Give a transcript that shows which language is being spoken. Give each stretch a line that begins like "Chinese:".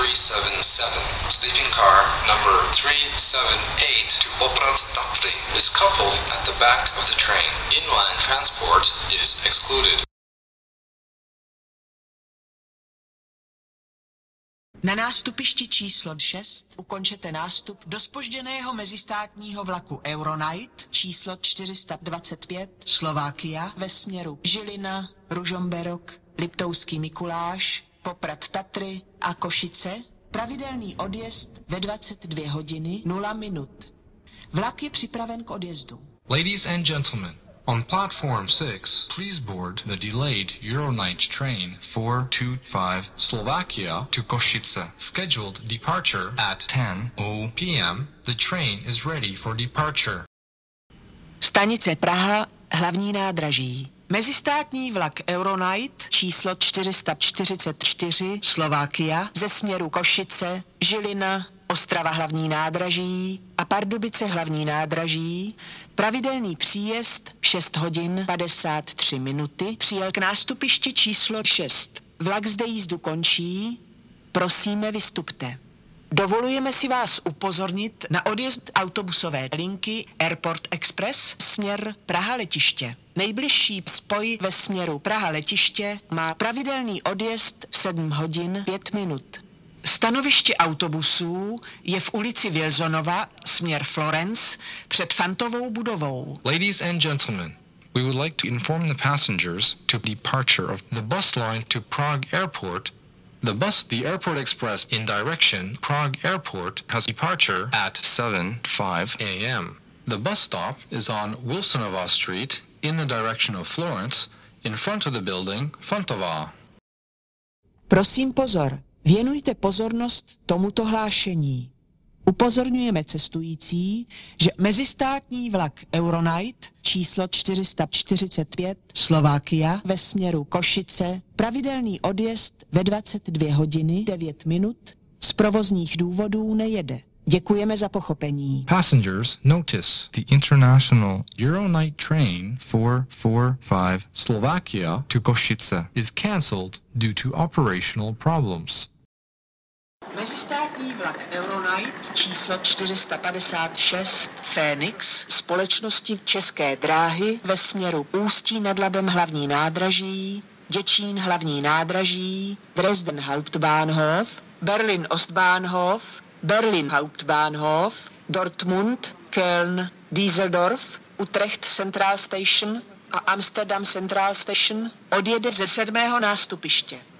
English: Sleeping car number 378 to Poprad Tatry is coupled at the back of the train. Inland transport is excluded.
Czech: Na nástupišti číslo 6 ukončete nástup do zpožděného mezistátního vlaku Euronight číslo 425 Slovakia ve směru Žilina, Ružomberok, Liptovský Mikuláš, Poprad Tatry a Košice. Pravidelný odjezd ve 22 hodiny 0 minut. Vlak je připraven k odjezdu. Ladies and gentlemen, on platform 6, please board the delayed Euronight train 425 Slovakia to Košice. Scheduled departure at 10:00 p.m. The train is ready for departure. Stanice Praha, hlavní nádraží. Mezistátní vlak Euronight číslo 444 Slovakia ze směru Košice, Žilina, Ostrava hlavní nádraží a Pardubice hlavní nádraží. Pravidelný příjezd 6 hodin 53 minuty přijel k nástupišti číslo 6. Vlak zde jízdu končí. Prosíme, vystupte. Dovolujeme si vás upozornit na odjezd autobusové linky Airport Express směr Praha letiště. Nejbližší spoj ve směru Praha letiště má pravidelný odjezd 7 hodin 5 minut. Stanoviště autobusů je v ulici Wilsonova směr Florence před Fantovou budovou.
English: Ladies and gentlemen, we would like to inform the passengers to departure of the bus line to Prague Airport. The bus, the Airport Express in direction Prague Airport, has departure at 7:05 a.m. The bus stop is on Wilsonova Street in the direction of Florence, in front of the building Fantova.
Czech: Prosím pozor, věnujte pozornost tomuto hlášení. Upozorňujeme cestující, že mezistátní vlak Euronight číslo 445 Slovakia ve směru Košice pravidelný odjezd ve 22 hodiny 9 minut z provozních důvodů nejede. Děkujeme za pochopení.
English: Passengers, notice. The international Euronight train 445 Slovakia to Košice is cancelled due to operational problems.
Czech: Mezistátní vlak Euronight číslo 456 Phoenix společnosti České dráhy ve směru Ústí nad Labem hlavní nádraží, Děčín hlavní nádraží, Dresden Hauptbahnhof, Berlin Ostbahnhof, Berlin Hauptbahnhof, Dortmund, Köln, Düsseldorf, Utrecht Central Station a Amsterdam Central Station odjede ze 7. nástupiště.